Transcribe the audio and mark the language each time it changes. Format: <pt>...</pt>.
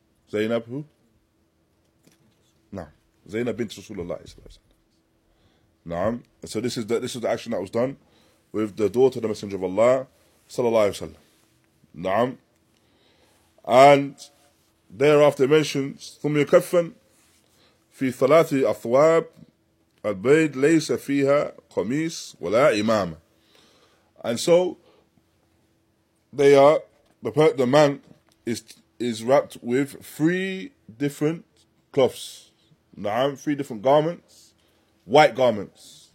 <en>Zainab who? Naam. Zainab bint Rasulullah. Naam. So this is the action that was done with the daughter of the Messenger of Allah, sallallahu alayhi wa sallam. Naam. And thereafter mentions</en> <ar>ثم يكفن في ثلاث أثواب البيض ليس فيها قميص ولا إمامة.</ar> <en>And so the man is wrapped with three different cloths. Naam, three different garments, white garments.</en>